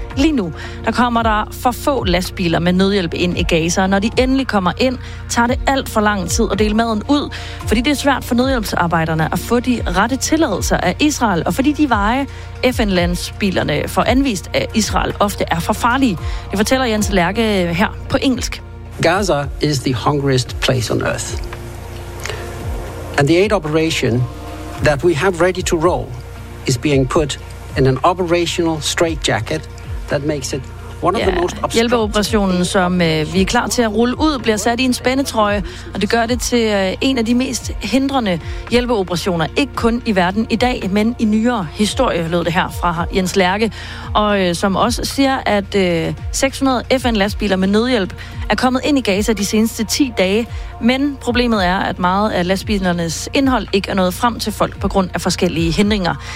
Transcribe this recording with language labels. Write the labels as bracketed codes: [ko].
[da] Lige nu, der kommer der for få lastbiler med nødhjælp ind i Gaza. Når de endelig kommer ind, tager det alt for lang tid at dele maden ud, fordi det er svært for nødhjælpsarbejderne at få de rette tilladelser af Israel, og fordi de veje, FN-lastbilerne får anvist af Israel, ofte er for farlige. Det fortæller Jens Lærke her på engelsk. [en] Gaza is the hungriest place on earth. And the aid operation that we have ready to roll is being put in an operational straitjacket that makes it one of the most obstructive. [da] Hjælpeoperationen, som vi er klar til at rulle ud, bliver sat i en spændetrøje, og det gør det til en af de mest hindrende hjælpeoperationer, ikke kun i verden i dag, men i nyere historie, lød det her fra Jens Lærke, og som også siger, at 600 FN-lastbiler med nødhjælp er kommet ind i Gaza de seneste 10 dage, men problemet er, at meget af lastbilernes indhold ikke er nået frem til folk på grund af forskellige hindringer.